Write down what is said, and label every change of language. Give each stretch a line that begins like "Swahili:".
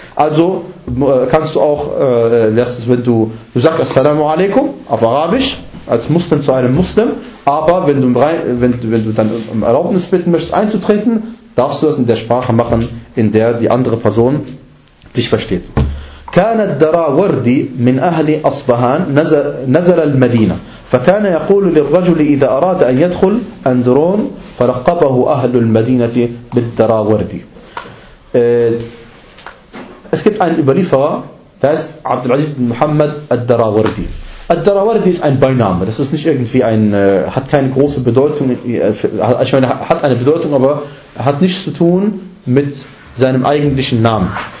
German: Also kannst du auch, wenn du sagst Assalamu alaikum auf Arabisch, als Muslim zu einem Muslim, aber wenn du dann um Erlaubnis bitten möchtest einzutreten, darfst du das in der Sprache machen, in der die andere Person dich versteht.
Arabic: كانت دراوردي من أهل أصبهان نزل المدينة فكان يقول للرجل إذا أراد أن يدخل أندرون فلقبه أهل المدينة بالدراوردي.
German: Es gibt einen Überlieferer, der heißt Abdul Aziz bin Muhammad al-Darawardi. Al-Darawardi ist ein Beiname, das ist nicht irgendwie ein, hat keine große Bedeutung, ich meine, hat eine Bedeutung, aber hat nichts zu tun mit seinem eigentlichen Namen.